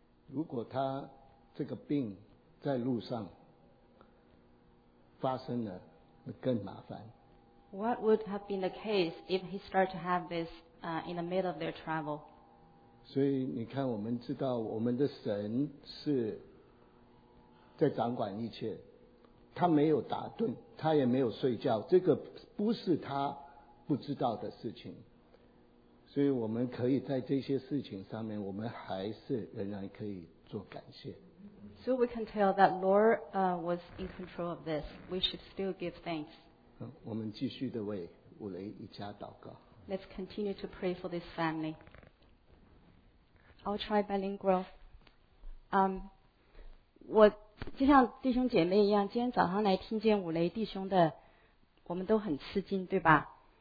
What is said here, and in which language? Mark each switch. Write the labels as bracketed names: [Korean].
[Chinese] 如果他这个病在路上发生了，那更麻烦。 [English] What would have been the case if he started to have this in the middle of their travel? [Chinese] 所以你看，我们知道我们的神是在掌管一切。他没有打盹，他也没有睡觉，这个不是他不知道的事情。所以我们可以在这些事情上面，我们还是仍然可以做感谢。 [English] So we can tell that Lord was in control of this. We should still give thanks. [Chinese] 我们继续的为五雷一家祷告。 [English] Let's continue to pray for this family. I'll try bilingual. [Chinese] 我就像弟兄姐妹一样，今天早上来听见五雷弟兄的，我们都很吃惊，对吧？